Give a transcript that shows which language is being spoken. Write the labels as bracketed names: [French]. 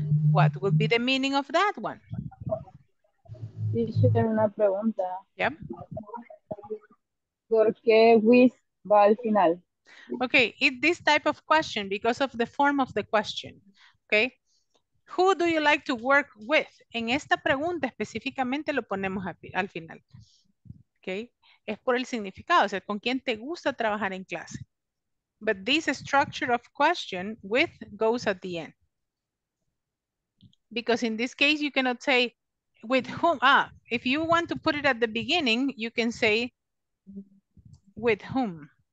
[English] What would be the meaning of that one? [Spanish] Dice una pregunta. [English] Yep. [Spanish] Porque with va al final. [English] Okay, it's this type of question because of the form of the question, okay? Who do you like to work with? [Spanish] En esta pregunta específicamente lo ponemos al final, okay? Es por el significado, o sea, ¿con quién te gusta trabajar en clase? [English] But this structure of question with goes at the end. Because in this case, you cannot say with whom. Ah, if you want to put it at the beginning, you can say with whom.